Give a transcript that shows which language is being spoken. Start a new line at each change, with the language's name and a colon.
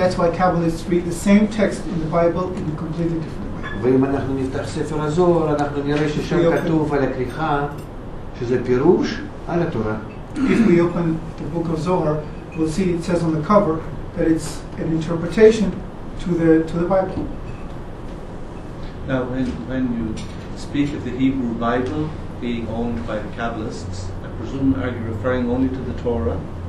English: That's why Kabbalists read the same text in the Bible in a completely different way.
Hebrew: ואם אנחנו נפתח ספר הזור, אנחנו נראה ששם כתוב על הכריכה שזה פירוש על התורה.
English: If we open the book of Zohar, we'll see it says on the cover that it's an interpretation to the Bible. Now, when you speak of the Hebrew Bible being owned by the Kabbalists, I presume, are you referring only to the Torah?